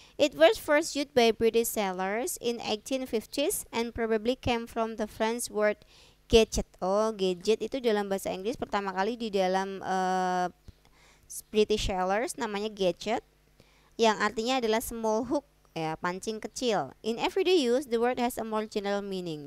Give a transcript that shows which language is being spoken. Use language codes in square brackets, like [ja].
[en] It was first used by British sailors in 1850s and probably came from the French word gadget. [id] Oh, gadget itu dalam bahasa Inggris pertama kali di dalam British sailors namanya gadget, yang artinya adalah [en] small hook, [id] ya, pancing kecil. [en] In everyday use, the word has a more general meaning.